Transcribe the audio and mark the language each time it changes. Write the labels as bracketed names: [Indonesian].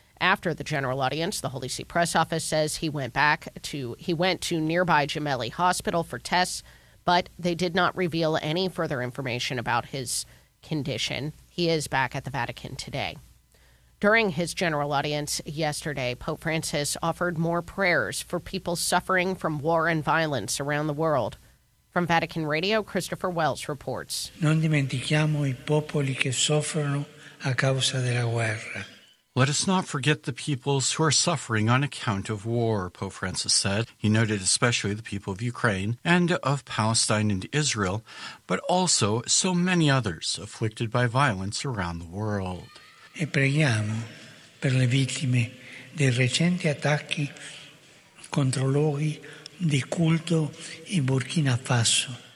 [English] After the general audience, the Holy See press office says he went to nearby Gemelli Hospital for tests, but they did not reveal any further information about his condition. He is back at the Vatican today. During his general audience yesterday, Pope Francis offered more prayers for people suffering from war and violence around the world. From Vatican Radio, Christopher Wells reports. [Italian] Non dimentichiamo i popoli che soffrono a causa della guerra. [English] Let us not forget the peoples who are suffering on account of war, Pope Francis said. He noted especially the people of Ukraine and of Palestine and Israel, but also so many others afflicted by violence around the world. [Italian] E preghiamo per le vittime dei recenti attacchi contro luoghi di culto in Burkina Faso.